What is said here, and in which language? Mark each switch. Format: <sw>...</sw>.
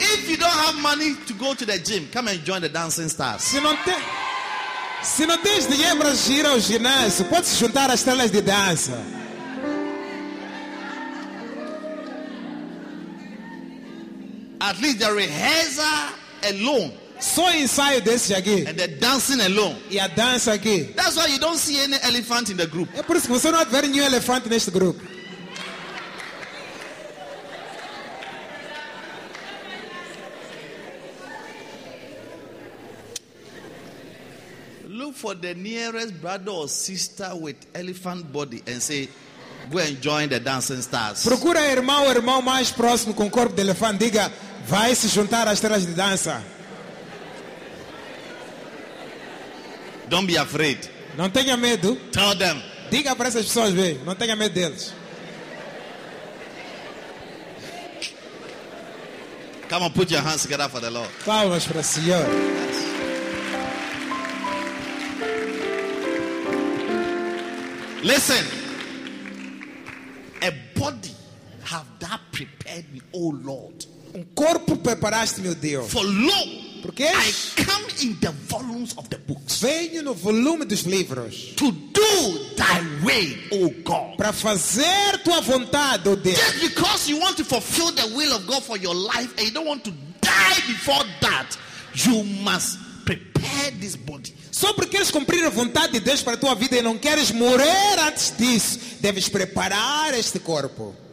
<en>if you don't have money to go to the gym, come and join the Dancing Stars.</en> <pt>Se não tens dinheiro para ir ao ginásio, pode se juntar às estrelas de dança.</pt> <en>At least the rehearsal alone.</en> <pt>Só ensaio desse aqui.</pt> <en>And the dancing alone.</en> <pt>E a dança aqui.</pt> <en>That's why you don't see any elephant in the group.</en> <pt>É por isso que você não vê nenhum elefante neste grupo.</pt> <en>Look for the nearest brother or sister with elephant body and say, go and join the Dancing Stars.</en> <pt>Procura irmão ou irmão mais próximo com corpo de elefante. Diga, vai se juntar às estrelas de dança.</pt> <en>Don't be afraid.</en> <pt>Não tenha medo.</pt> <en>Tell them.</en> <pt>Diga para essas pessoas, bem, não tenha medo deles.</pt> <en>Come on, put your hands together for the Lord.</en> <pt>Palmas para o Senhor.</pt> <en>Listen, a body have thou prepared me, O Lord.</en> <pt>Um corpo preparaste, meu Deus.</pt> <en>For lo,</en> <pt>porque</pt> <en>I come in the volumes of the books.</en> <pt>Venho no volume dos livros.</pt> <en>To do thy way, O God.</en> <pt>Para fazer tua vontade, oh Deus.</pt> <en>Just because you want to fulfill the will of God for your life and you don't want to die before that, you must prepare this body.</en> <pt>Só porque queres cumprir a vontade de Deus para a tua vida e não queres morrer antes disso, deves preparar este corpo.</pt>